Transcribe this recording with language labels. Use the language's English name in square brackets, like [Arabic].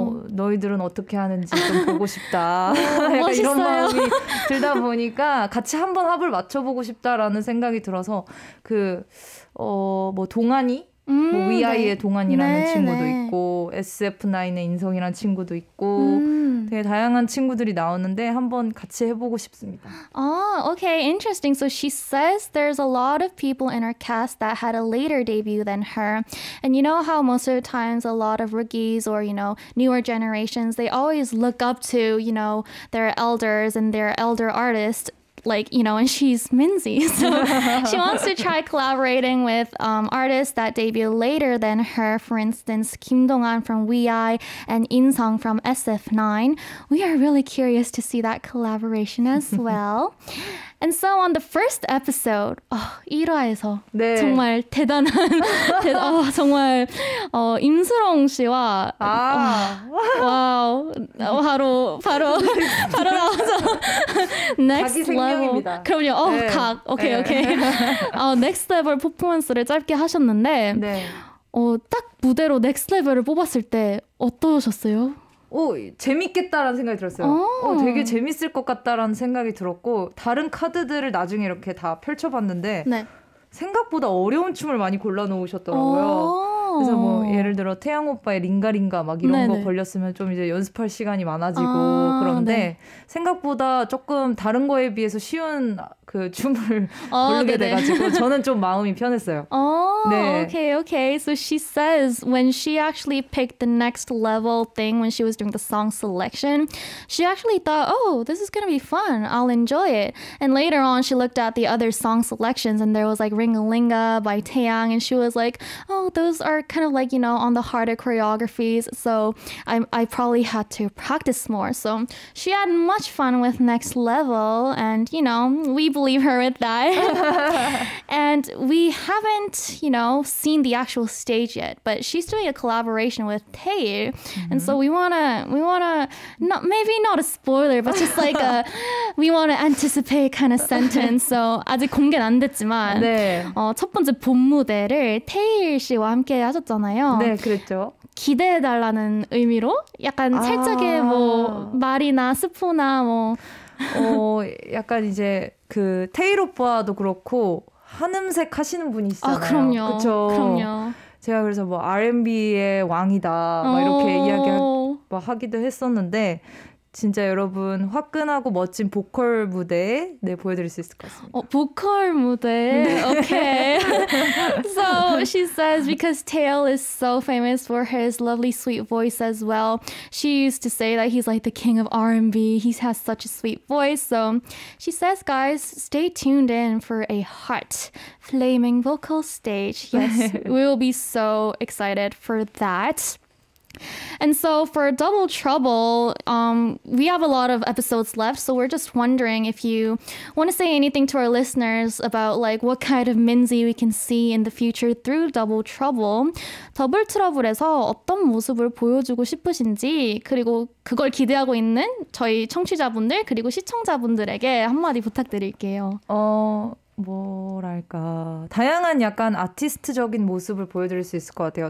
[Korean] 너희들은 어떻게 하는지 좀 보고 싶다. 약간 이런 마음이 들다 보니까 같이 한번 합을 맞춰보고 싶다라는 생각이 들어서 그 뭐 동안이 위아이의 뭐 네. 동안이라는 네, 친구도 네. 있고 SF9의 인성이라는 친구도 있고 되게 다양한 친구들이 나오는데 한번 같이 해보고 싶습니다. [English] Oh, okay, interesting. So she says there's a lot of people in her cast that had a later debut than her. And you know how most of the times a lot of rookies or, you know, newer generations, they always look up to, you know, their elders and their elder artists. Like, you know, and she's Minzy, so she wants to try collaborating with artists that debut later than her. For instance, Kim Dong-an from WEEI and In Song from SF9. We are really curious to see that collaboration as well. And so on the first episode, [Korean] 1화에서 네. 정말 대단한, 정말 임수롱 씨와 와우 바로 나와서 next 자기 생명입니다. level 그럼요. 어, 네. 각 오케이 네. 오케이 next level 퍼포먼스를 짧게 하셨는데 네. 딱 무대로 next level을 뽑았을 때 어떠셨어요? 오, 재밌겠다라는 생각이 들었어요. 되게 재밌을 것 같다라는 생각이 들었고 다른 카드들을 나중에 이렇게 다 펼쳐봤는데 네. 생각보다 어려운 춤을 많이 골라놓으셨더라고요. 그래서 뭐 예를 들어 태양 오빠의 링가링가 막 이런 네네. 거 걸렸으면 좀 이제 연습할 시간이 많아지고 그런데 네. 생각보다 조금 다른 거에 비해서 쉬운 그 춤을 고르게 돼가지고 저는 좀 마음이 편했어요. [English] 네. Okay, okay. So she says when she actually picked the next level thing when she was doing the song selection, she actually thought, oh, this is gonna be fun. I'll enjoy it. And later on, she looked at the other song selections and there was like Ringalinga by Taeyang and she was like, oh, those are kind of like, you know, on the harder choreographies, so I probably had to practice more. So she had much fun with Next Level, and, you know, we believe her with that. And we haven't, you know, seen the actual stage yet, but she's doing a collaboration with Tae, and so we wanna not, maybe not a spoiler, but just like a we wanna anticipate kind of sentence. [Korean] So 아직 공개는 안 됐지만 네. 첫 번째 본 무대를 Tae 씨와 함께 하셨잖아요. 네, 그랬죠. 기대해달라는 의미로 약간 살짝의 뭐 말이나 스포나 뭐 약간 이제 그 테일 오빠도 그렇고 한음색 하시는 분이 있잖아요. 그럼요. 그쵸? 그럼요. 제가 그래서 뭐 R&B의 왕이다 막 이렇게 이야기하기도 했었는데 진짜 여러분 화끈하고 멋진 보컬 무대 네, 보여드릴 수 있을 것 같습니다. 보컬 무대? 네. Okay. [English] So she says because Tae is so famous for his lovely sweet voice as well, she used to say that he's like the king of R&B. He has such a sweet voice. So she says, guys, stay tuned in for a hot, flaming vocal stage. Yes, we will be so excited for that. And so for Double Trouble, we have a lot of episodes left, so we're just wondering if you want to say anything to our listeners about like what kind of Minzy we can see in the future through Double Trouble. [Korean] Double Trouble에서 어떤 모습을 보여주고 싶으신지 그리고 그걸 기대하고 있는 저희 청취자분들 그리고 시청자분들에게 한마디 부탁드릴게요. 뭐랄까 다양한 약간 아티스트적인 모습을 보여드릴 수 있을 것 같아요.